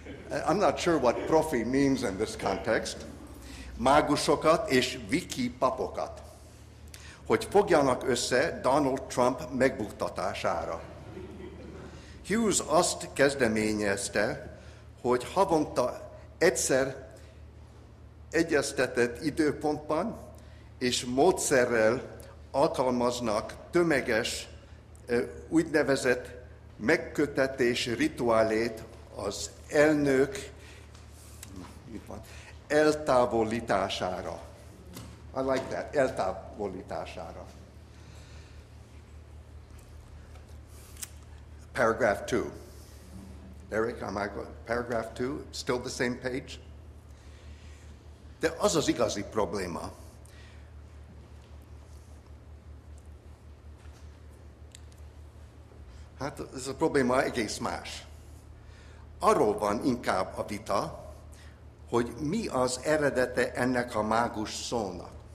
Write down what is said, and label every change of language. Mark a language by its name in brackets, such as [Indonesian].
[English] I'm not sure what profi means in this context. [Hungarian] Mágusokat és wiki papokat, hogy fogjanak össze Donald Trump megbuktatására. Hughes azt kezdeményezte, hogy havonta egyszer egyeztetett időpontban és módszerrel alkalmaznak tömeges úgynevezett megkötetés rituálét az elnök eltávolítására. [English] I like that, [Hungarian] eltávolítására. [English] Paragraph 2. Eric, am I good? Paragraph 2, still the same page? [Hungarian] De az az igazi probléma, hát ez a probléma egész más. Arról van inkább a vita, hogy mi az eredete ennek a mágus szónak.